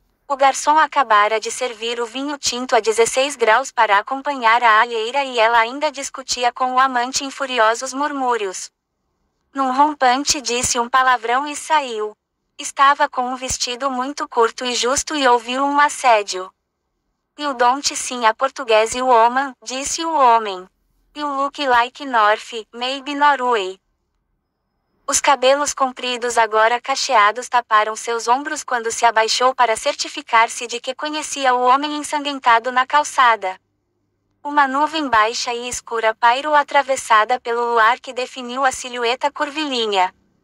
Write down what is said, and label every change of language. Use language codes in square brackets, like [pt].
[pt] O garçom acabara de servir o vinho tinto a 16 graus para acompanhar a alheira e ela ainda discutia com o amante em furiosos murmúrios. Num rompante, disse um palavrão e saiu. Estava com um vestido muito curto e justo e ouviu um assédio. [en] You don't see a Portuguese woman, [pt] disse o homem. [en] You look like North, maybe Norway. [pt] Os cabelos compridos agora cacheados taparam seus ombros quando se abaixou para certificar-se de que conhecia o homem ensanguentado na calçada. Uma nuvem baixa e escura pairou atravessada pelo luar que definiu a silhueta curvilínea.